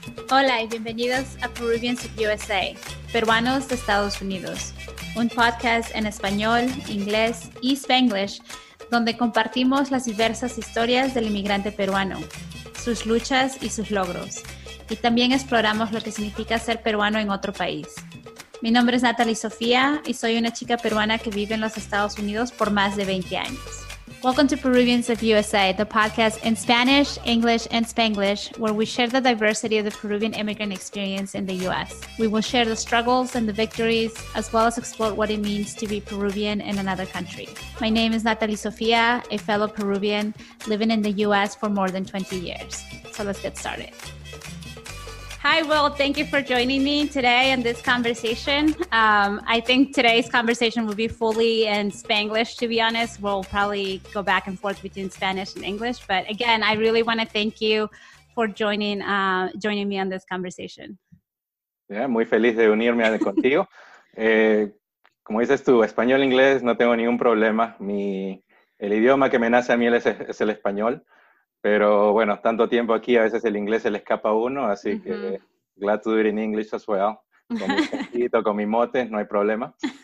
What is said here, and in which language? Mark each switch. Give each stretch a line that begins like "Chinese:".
Spanish: Hola y bienvenidos a Peruvians of USA, Peruanos de Estados Unidos, un podcast en español, inglés y Spanglish, donde compartimos las diversas historias del inmigrante peruano, sus luchas y sus logros, y también exploramos lo que significa ser peruano en otro país. Mi nombre es Natalie Sofía y soy una chica peruana que vive en los Estados Unidos por más de 20 años.
English: Welcome to Peruvians of USA, the podcast in Spanish, English, and Spanglish, where we share the diversity of the Peruvian immigrant experience in the U.S. We will share the struggles and the victories, as well as explore what it means to be Peruvian in another country. My name is Natalie Sofía, a fellow Peruvian living in the U.S. for more than 20 years. So let's get started. Hi, Will. Thank you for joining me today in this conversation. I think today's conversation will be fully in Spanglish, to be honest. We'll probably go back and forth between Spanish and English. But again, I really want to thank you for joining me on this conversation.
Spanish: Yeah, muy feliz de unirme contigo. Como dices tú, español, inglés, no tengo ningún problema. El idioma que me nace a mí es el español. Pero bueno, tanto tiempo aquí, a veces el inglés se le escapa a uno, así mm-hmm. que
English: glad to do it in English as well.
Spanish: Con mi cantito, con mi mote, no hay problema.